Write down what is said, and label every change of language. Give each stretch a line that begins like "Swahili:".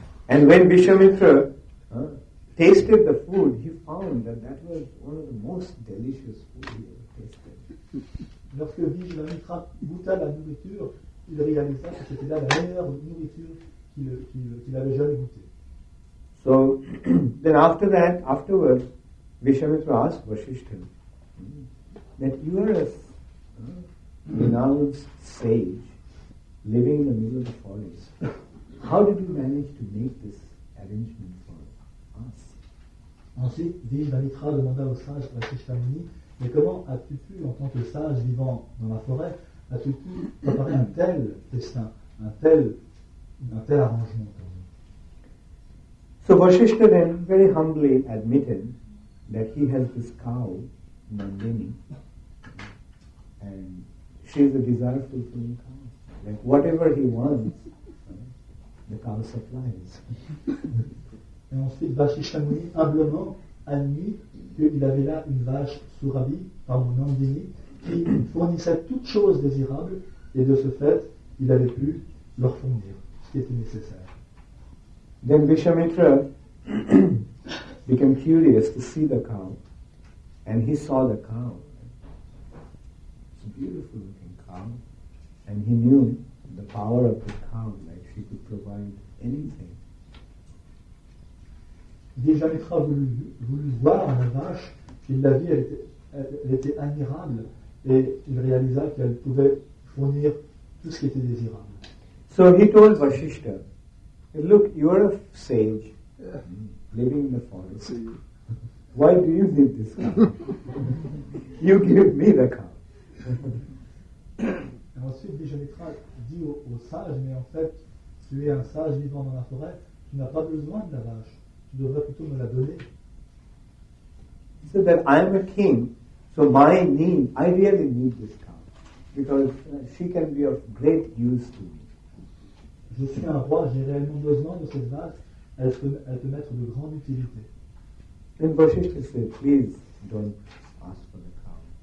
English: And when Vishwamitra tasted the food, he found that was one of the most delicious food he ever tasted.
French: Lorsque Vishwamitra goûta la nourriture, il réalisa que c'était là la meilleure nourriture qu'il avait jamais goûtée.
English: So then afterwards, Vishwamitra asked Vasishtha, that you are a renounced sage living in the middle of the forest. How did you manage to make this arrangement for us?
French: Ensuite, Vishwamitra demanda au sage Vasishtha Muni, mais comment as-tu pu, en tant que sage vivant dans la forêt, as-tu pu préparer un tel destin, un tel arrangement pour nous?
English: So Vasishtha then very humbly admitted that he has this cow, Nandini, and she is a desirable thing cow. Like whatever he wants, the cow supplies.
French: Et ensuite, Vasishtha Muni humblement admit qu'il avait là une vache Surabhi, pardon, Nandini, qui fournissait toutes choses désirables, et de ce fait, il avait pu leur fournir ce qui était nécessaire.
English: Then Vishwamitra became curious to see the cow, and he saw the cow. It's a beautiful looking cow, and he knew the power of the cow. He could provide anything.
French: Vijayatra voulut voir la vache, il l'a vue, elle était admirable, et il réalisa qu'elle pouvait fournir tout ce qui était désirable.
English: So he told Vasishtha, look, you are a sage living in the forest. Why do you need this cow? You give me the cow.
French: Et ensuite Vijayatra dit au sage, mais en fait, tu es un sage vivant dans la forêt, tu n'as pas besoin de la vache, tu devrais plutôt me la donner.
English: He said that I am a king, so my need, I really need this cow, because she can be of great use to me.
French: Je suis un roi, j'ai réellement besoin de cette vache, elle peut m'être de grande utilité.
English: Then Vasishtha said, please don't ask for the cow.